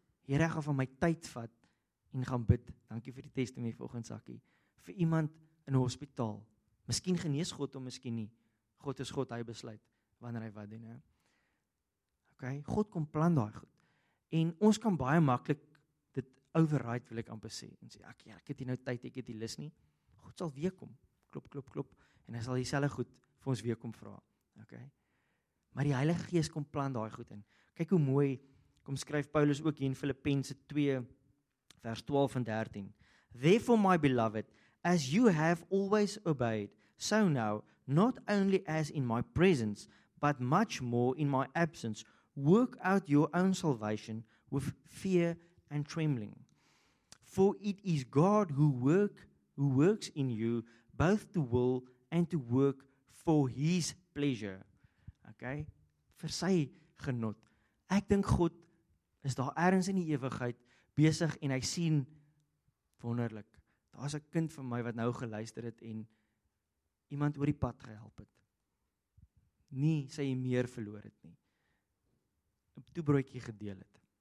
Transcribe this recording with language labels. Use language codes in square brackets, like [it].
[af] Heere, ek gaan vir my tyd vat en gaan bid. Dankie vir die testimonie volgens Sakkie. Vir iemand in hospitaal. Miskien genees God om, miskien nie. God is God, hy besluit wanneer hy wat doen. He. Ok, God kom plan daai goed. En ons kan baie maklik dit override, wil ek amper sê. En sê, ek, ek het hier nou tyd, ek het die lis nie. God sal weer kom. Klop, klop, klop. En hy sal dieselfde goed vir ons weer kom vra. Ok. Maar die Heilige Gees kom plan daai goed in. Kyk hoe mooi, kom skryf Paulus ook hier in Filippense 2 vers 12 en 13. [en] Therefore my beloved, as you have always obeyed, so now, not only as in my presence, but much more in my absence, work out your own salvation with fear and trembling. For it is God who works in you, both to will and to work for his pleasure. [af] Okay, vir sy genot. Ek dink God is daar ergens in die ewigheid besig en hy sien wonderlik. Daar is 'n kind van my wat nou geluister het en iemand oor die pad gehelp het. Nie sy meer verloor het nie. 'N toebroodjie gedeel het.